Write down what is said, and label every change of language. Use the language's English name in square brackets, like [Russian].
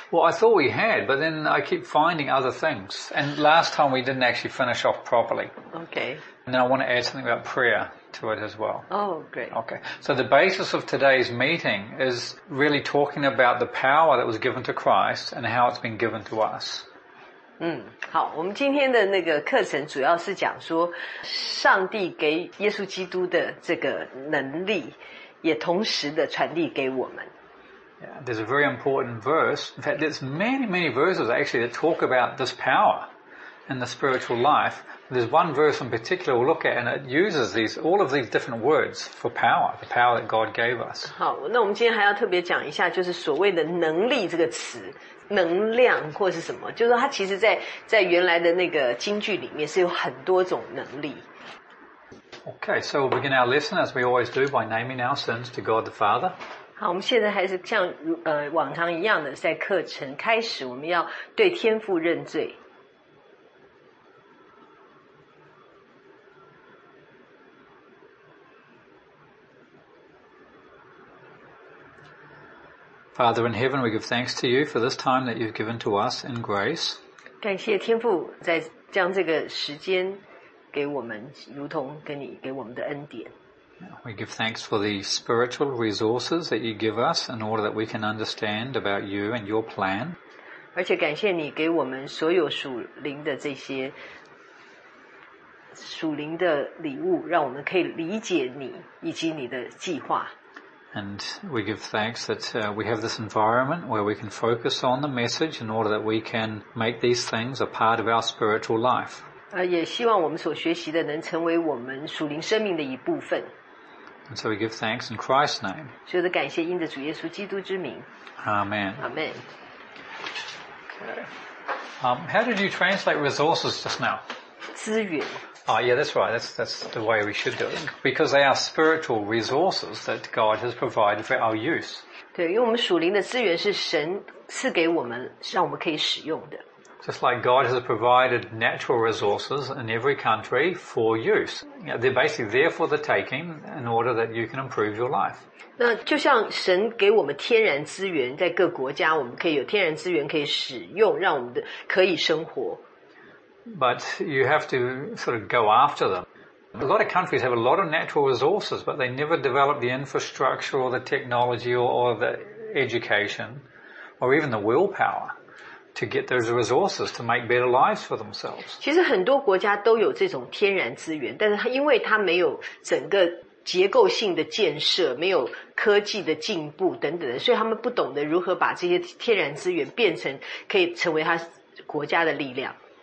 [English] Well, I thought we had, but then I keep finding other things. And last time we didn't actually finish off properly. Okay. And then I want to add something about prayer to it as well. Oh, great. Okay. So the basis of today's meeting is really talking about the power that was given to Christ and how it's been given to us. [Chinese] 好，我们今天的那个课程主要是讲说上帝给耶稣基督的这个能力也同时的传递给我们。 [English] Yeah, there's a very important verse. In fact, there's many, many verses actually that talk about this power in the spiritual life. There's one verse in particular we'll look at, and it uses these, all of these different words for power, the power that God gave us. [Chinese] 好，那我们今天还要特别讲一下，就是所谓的能力这个词，能量或是什么，就是它其实在原来的那个经句里面是有很多种能力。 [English] Okay, so we'll begin our lesson as we always do by naming our sins to God the Father. [Chinese] 好，我们现在还是像往常一样的，在课程开始，我们要对天父认罪。 [English] Father in heaven, we give thanks to you for this time that you've given to us in grace. [Chinese] 感谢天父在将这个时间给我们，如同跟你给我们的恩典。 [English] We give thanks for the spiritual resources that you give us in order that we can understand about you and your plan. [Chinese] 而且感谢你给我们所有属灵的这些属灵的礼物，让我们可以理解你以及你的计划。 [English] And we give thanks that we have this environment where we can focus on the message in order that we can make these things a part of our spiritual life. [Chinese] 也希望我们所学习的能成为我们属灵生命的一部分。 [English] And so we give thanks in Christ's name. [Chinese] 所有的感谢因着主耶稣基督之名。 [English] Amen. Amen. Okay. How did you translate resources just now? [Chinese] 资源。 [English] Oh, yeah, that's right. That's the way we should do it. Because they are spiritual resources that God has provided for our use. [Chinese] 对，因为我们属灵的资源是神赐给我们，让我们可以使用的。 [English] Just like God has provided natural resources in every country for use. You know, they're basically there for the taking in order that you can improve your life. [Chinese] 那就像神给我们天然资源，在各国家我们可以有天然资源可以使用，让我们的可以生活。 [English] But you have to sort of go after them. A lot of countries have a lot of natural resources, but they never develop the infrastructure or the technology or the education or even the willpower to get those resources to make better lives for themselves. [Chinese] 其实很多国家都有这种天然资源，但是因为它没有整个结构性的建设，没有科技的进步等等的，所以他们不懂得如何把这些天然资源变成可以成为他国家的力量。